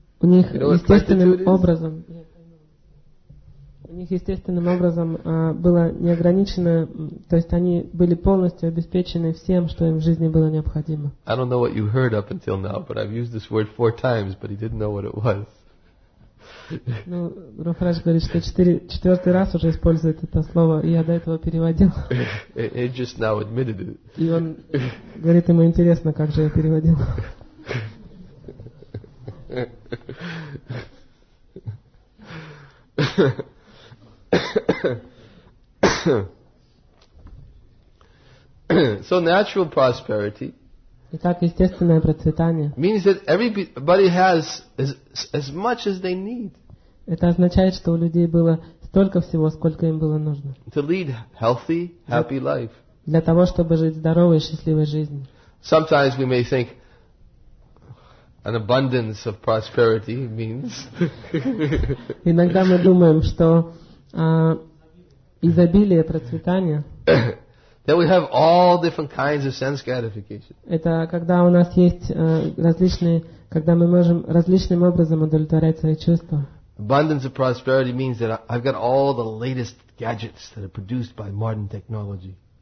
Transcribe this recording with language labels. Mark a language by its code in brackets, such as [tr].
[ru] У них естественным образом. У них естественным образом было неограниченное, то есть они были полностью обеспечены всем, что им в жизни было необходимо. [en] I don't know what you heard up until now, but I've used this word four times, but he didn't know what it was. [ru] Ну, Рухарадж говорит, что четвертый раз уже использует это слово, и я до этого переводил. [en] He just now admitted it. [ru] И он говорит, ему интересно, как же я переводил. [en] So natural prosperity. [ru] Итак, естественное процветание. [en] Means that everybody has as much as they need. [ru] Это означает, что у людей было столько всего, сколько им было нужно. [en] To lead healthy, happy life. [ru] Для того, чтобы жить здоровой, счастливой жизнью. [en] Sometimes we may think an abundance of prosperity means. [ru] Иногда мы думаем, что изобилие процветания. [en] That we have all different kinds of sense gratification. [ru] Это когда у нас есть различные, когда мы можем различным образом удовлетворять свои чувства. [en] Abundance of prosperity means that I've got all the latest gadgets that are produced by modern technology.